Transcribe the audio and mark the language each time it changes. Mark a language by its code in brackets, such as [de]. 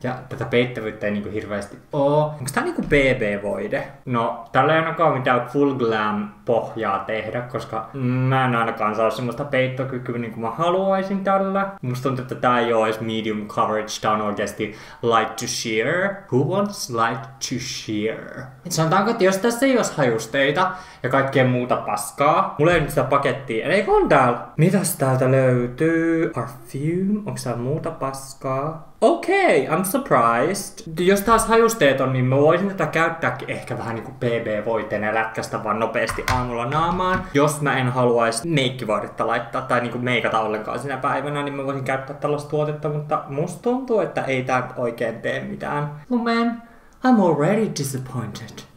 [fi] Ja tätä peittävyyttä ei niinku hirveesti oo. Onks tää niinku BB-voide? No, tällä ei ainakaan mitään full glam pohjaa tehdä, koska mä en ainakaan saa semmoista peittokykyä niinku mä haluaisin tällä. Musta tuntuu, että tää ei oo edes medium coverage. Tää on oikeesti light to sheer. [en] Who wants light to sheer? [fi] Sanotaanko, että jos tässä ei oo hajusteita ja kaikkea muuta paskaa. Mulla ei nyt sitä pakettia. Eikö on täällä? Mitäs täältä löytyy? Onks tää muuta paskaa? [en] Okei, okay, I'm surprised. [fi] Jos taas hajusteet on, niin mä voisin tätä käyttääkin ehkä vähän niinku BB-voiteen ja lätkästä vaan nopeasti aamulla naamaan. Jos mä en haluaisi meikkivaudetta laittaa tai niinku meikata ollenkaan sinä päivänä, niin mä voisin käyttää tällaista tuotetta, mutta musta tuntuu, että ei tää oikein tee mitään. [en] Lumen, I'm already disappointed.